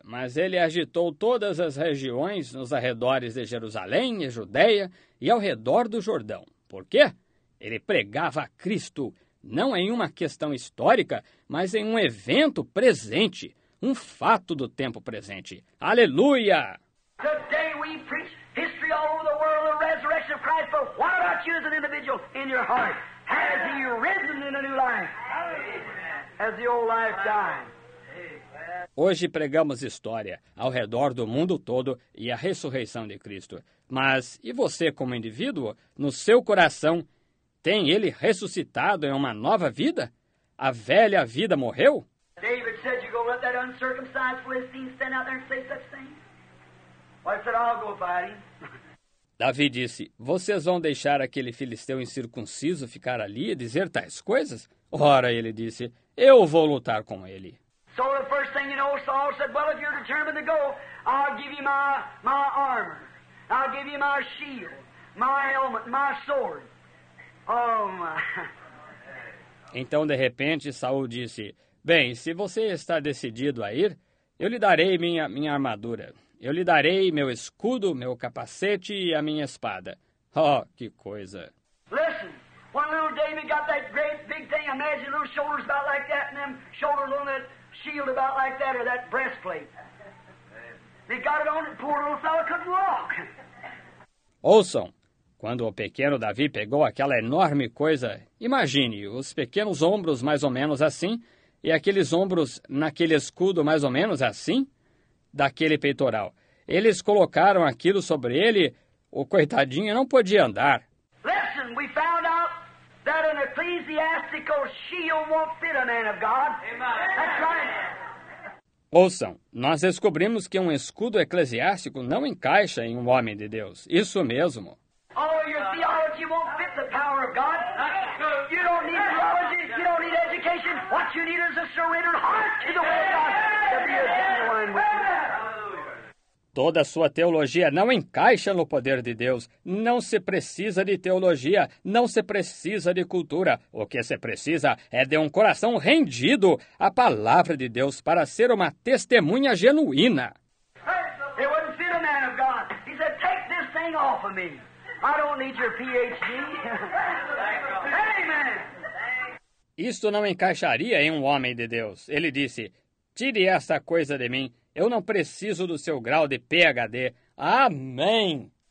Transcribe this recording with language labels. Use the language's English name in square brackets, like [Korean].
[Portuguese] Mas ele agitou todas as regiões nos arredores de Jerusalém e Judéia e ao redor do Jordão. Por quê? Ele pregava a Cristo, não em uma questão histórica, mas em um evento presente, um fato do tempo presente. Aleluia! Hoje nós [English] preach history all over the world, the resurrection of Christ, but what about you as an individual in your heart? Has he risen in a new life? Has the old life died? [Portuguese] Hoje pregamos história ao redor do mundo todo e a ressurreição de Cristo. Mas e você como indivíduo, no seu coração, tem ele ressuscitado em uma nova vida? A velha vida morreu? [English] David said you go let that uncircumcised Philistine stand out there and say such things. Well, I said I'll go fighting. [Portuguese] Davi disse, vocês vão deixar aquele filisteu incircunciso ficar ali e dizer tais coisas? Ora, ele disse, eu vou lutar com ele. [English] So the first thing you know, Saul said, well, if you're determined to go, I'll give you my armor. I'll give you my shield, my helmet, my sword. Oh, my. [Portuguese] Então, de repente, Saul disse, bem, se você está decidido a ir, eu lhe darei minha armadura. Eu lhe darei meu escudo, meu capacete e a minha espada. Oh, que coisa. [English] Listen. When little David got that great big thing, imagine little shoulders about like that and them shoulders on that shield about like that or that breastplate. They got it on and poor little fellow couldn't walk. [Portuguese] Ouçam. Quando o pequeno Davi pegou aquela enorme coisa, imagine os pequenos ombros mais ou menos assim e aqueles ombros naquele escudo mais ou menos assim daquele peitoral. Eles colocaram aquilo sobre ele, o coitadinho não podia andar. [English] Listen, we found out that an ecclesiastical shield won't fit a man of God. Amen. That's right. [Portuguese] Ouçam, nós descobrimos que um escudo eclesiástico não encaixa em um homem de Deus. Isso mesmo. [English] Oh, your theology won't fit the power of God. You don't need theology, you don't need education. What you need is a surrender heart to the will of God. To be a genuine witness. [Portuguese] Toda sua teologia não encaixa no poder de Deus. Não se precisa de teologia, não se precisa de cultura. O que se precisa é de um coração rendido à palavra de Deus para ser uma testemunha genuína. [English] It wouldn't fit a man of God. He said, take this thing off of me. I don't need your PhD. Amen. [Portuguese] Isto não encaixaria em um homem de Deus. Ele disse, tire essa coisa de mim. Eu não preciso do seu grau de PhD. Amém!